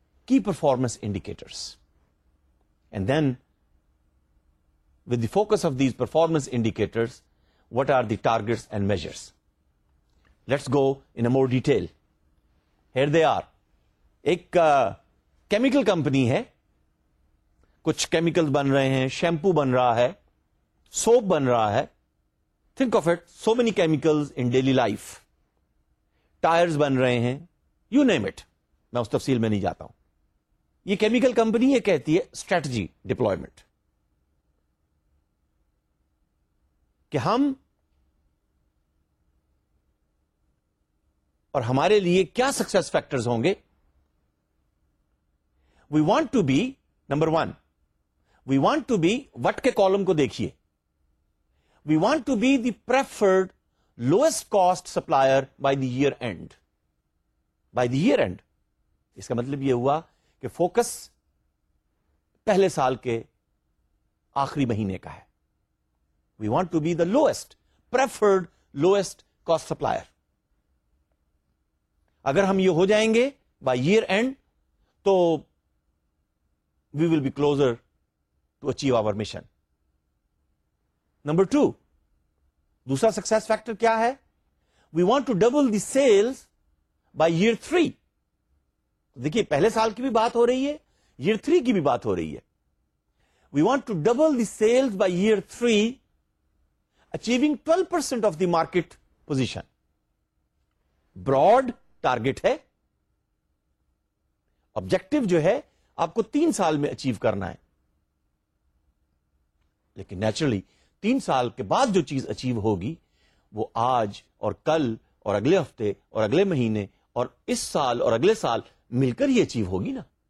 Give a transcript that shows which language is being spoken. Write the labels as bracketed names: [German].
[English] Key performance indicators, and then with the focus of these performance indicators, what are the targets and measures? Let's go in a more detail. Here they are. [Urdu] Ek chemical company ہے، کچھ chemical بن رہے ہیں، shampoo بن رہا ہے، soup بن رہا ہے، [English] think of it, so many chemicals in daily life, [Urdu] tyres بن رہے ہیں، [English] you name it, [Urdu] میں اس تفصیل میں نہیں جاتا ہوں. یہ کیمیکل کمپنی یہ کہتی ہے اسٹریٹجی ڈپلائمنٹ، کہ ہم اور ہمارے لیے کیا سکسیس فیکٹرز ہوں گے. [English] we want to be number one, we want to be, what کے [Urdu] کالم کو دیکھیے، [English] We want to be the preferred lowest cost supplier by the year end. By the year end [Urdu] اس کا مطلب یہ ہوا کہ فوکس پہلے سال کے آخری مہینے کا ہے. [English] We want to be the lowest, preferred lowest cost supplier. [Urdu] اگر ہم یہ ہو جائیں گے [English] by year end, تو we will be closer to achieve our mission. Number two, [Urdu] دوسرا [English] success factor [Urdu] کیا ہے؟ [English] We want to double the sales by year three. [Urdu] دیکھیے پہلے سال کی بھی بات ہو رہی ہے، year three کی بھی بات ہو رہی ہے. [English] We want to double the sales by year three, achieving 12% of the market position. [Urdu] Broad target ہے، objective جو ہے آپ کو تین سال میں achieve کرنا ہے، لیکن naturally تین سال کے بعد جو چیز achieve ہوگی وہ آج اور کل اور اگلے ہفتے اور اگلے مہینے اور اس سال اور اگلے سال مل کر ہی achieve ہوگی نا.